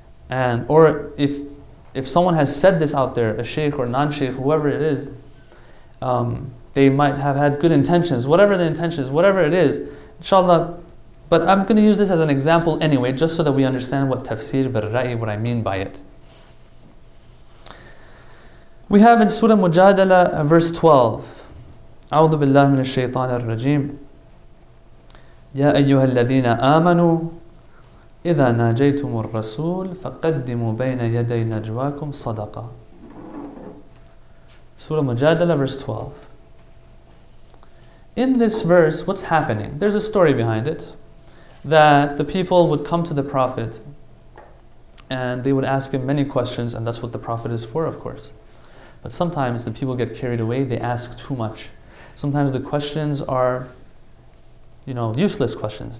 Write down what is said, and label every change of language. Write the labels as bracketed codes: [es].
[en] And or if someone has said this out there, a sheikh or non-sheikh, whoever it is, they might have had good intentions. Whatever the intentions, whatever it is, inshallah. But I'm going to use this as an example anyway, just so that we understand what tafsir bil-ra'i, what I mean by it. We have in Surah Mujadala, verse 12. [ar] أعوذ بالله من الشيطان الرجيم. يا أيها الذين آمنوا إذا ناجيتم الرسول فقدموا بين يدي نجواكم صدقة. [en] Surah Mujadala, verse 12. In this verse, what's happening? There's a story behind it, that the people would come to the Prophet and they would ask him many questions, and that's what the Prophet is for, of course. But sometimes the people get carried away, they ask too much. Sometimes the questions are, you know, useless questions.